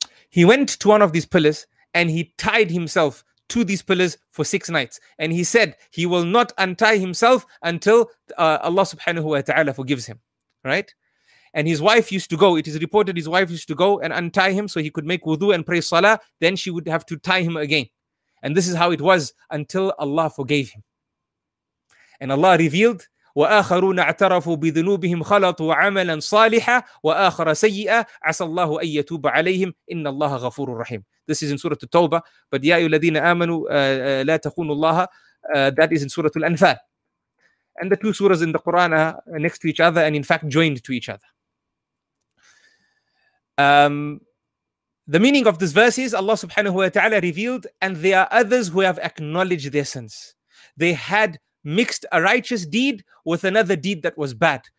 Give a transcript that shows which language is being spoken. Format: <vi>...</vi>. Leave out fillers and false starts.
<en>He went to one of these pillars and he tied himself to these pillars for 6 nights, and he said he will not untie himself until Allah Subhanahu wa Taala forgives him. Right. And his wife used to go, it is reported his wife used to go and untie him so he could make wudu and pray salah, then she would have to tie him again. And this is how it was until Allah forgave him.</en> <ar>And Allah revealed, وَآخَرُونَ اَعْتَرَفُوا بِذُنُوبِهِمْ خَلَطُوا عَمَلًا صَالِحًا وَآخَرَ سَيِّئًا عَسَى اللَّهُ أَن يَتُوبَ عَلَيْهِمْ إِنَّ اللَّهَ غَفُورٌ رَحِيمٌ.</ar> <en>This is in Surah At-Tawbah.</en> <ar>But يَا أَيُّهَا الَّذِينَ آمَنُوا لَا تَخُونُوا اللَّهَ, that is in Surah Al-Anfal.</ar> <en>And the two surahs in the Quran are next to each other, and in fact joined to each other. The meaning of this verse is Allah subhanahu wa ta'ala revealed, and there are others who have acknowledged their sins. They had mixed a righteous deed with another deed that was bad.</en>